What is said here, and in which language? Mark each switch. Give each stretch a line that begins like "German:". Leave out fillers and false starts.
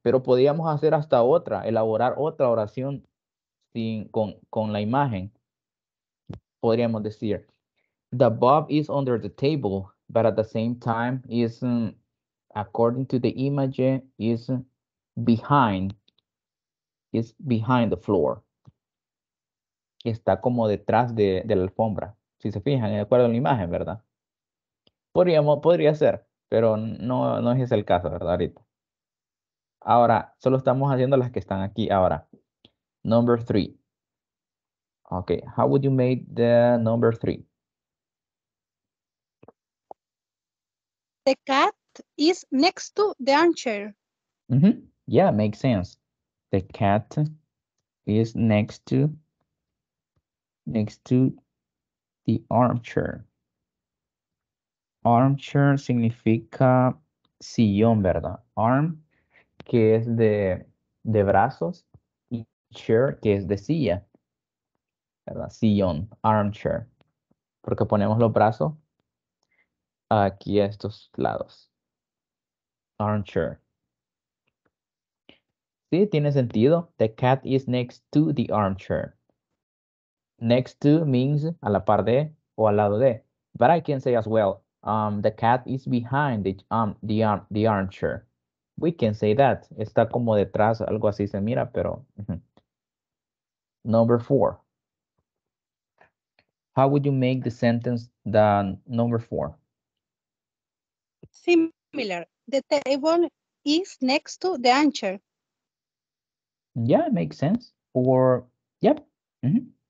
Spanish: Pero podríamos hacer hasta otra, elaborar otra oración sin, con la imagen. Podríamos decir,
English: the ball is under the table, but at the same time, isn't, according to the image, is behind. Is behind the floor.
Spanish: Está como detrás de la alfombra. Si se fijan, de acuerdo a la imagen, ¿verdad? Podría ser, pero no es el caso, ¿verdad? Ahorita. Ahora, solo estamos haciendo las que están aquí.
English: Ahora, number three. Okay, how would you make the number three? The cat is next to the armchair. Mm-hmm. Yeah, makes sense. The cat is next to the armchair.
Spanish: Armchair significa sillón, ¿verdad? Arm, que es de brazos, y chair, que es de silla, ¿verdad? Sillón, armchair, porque ponemos los brazos aquí a estos lados.
English: Armchair.
Spanish: Sí, tiene sentido.
English: The cat is next to the armchair. Next to means
Spanish: a la par de o al lado de.
English: But I can say as well, the cat is behind the armchair. We can say that.
Spanish: Está como detrás, algo así se mira, pero...
English: Number four. How would you make the sentence the number four? Similar. The table is next to the armchair. Yeah, it makes sense. Or, yep. Mm-hmm.